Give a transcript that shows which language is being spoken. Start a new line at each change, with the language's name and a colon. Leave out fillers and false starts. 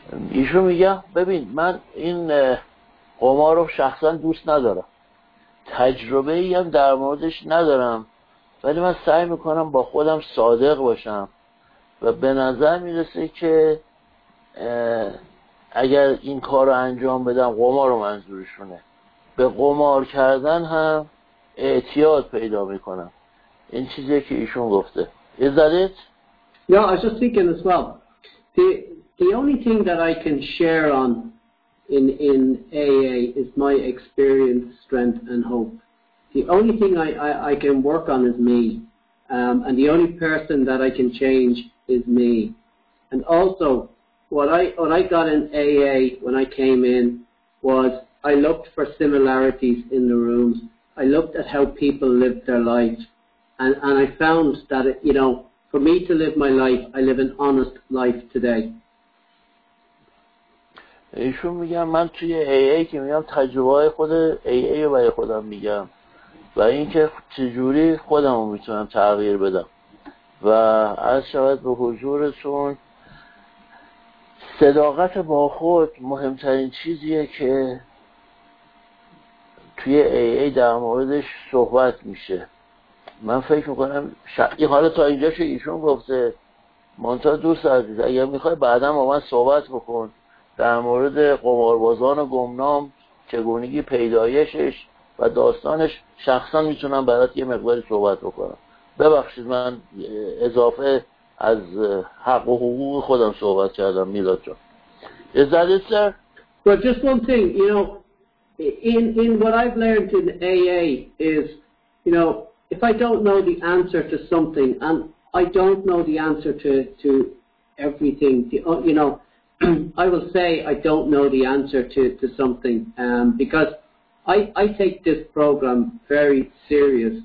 Persian: ایشون میگه ببین من این قمار رو شخصا دوست ندارم، تجربه ای هم در موردش ندارم، ولی من سعی میکنم با خودم صادق باشم و به نظر میرسه که اگر این کار رو انجام بدم، قمار رو منظورشونه، به قمار کردن هم اعتیاد پیدا میکنم. این چیزی که ایشون گفته.
English: Is that it? Yeah, I was just thinking as well. The only thing that I can share on in AA is my experience, strength, and hope. The only thing I can work on is me, and the only person that I can change is me. And also, what I got in AA when I came in was I looked for similarities in the rooms. I looked at how people lived their lives, and I found that it, you know, for me to live my life, I live an honest life today.
Persian: ایشون میگم من توی AA که میگم تجربه های خود AA رو برای خودم میگم و اینکه چجوری خودم رو میتونم تغییر بدم و از شبت به حضورتون صداقت با خود مهمترین چیزیه که توی AA در موردش صحبت میشه. من فکر میکنم حالا تا اینجاش ایشون گفته منتها دوست عزیز اگر میخوای بعدا با من صحبت بکن در مورد قماربازان و گمنام چگونگی پیدایشش و داستانش شخصا میتونم برات یه مقداری صحبت بکنم. ببخشید من اضافه از حق و حقوق خودم صحبت کردم میلاد جان.
English: Is that it, sir? But just one thing, you know, in what I've learned in AA is, you know, if I don't know the answer to something, and I don't know the answer to everything, you know, I will say I don't know the answer to something because I take this program very serious.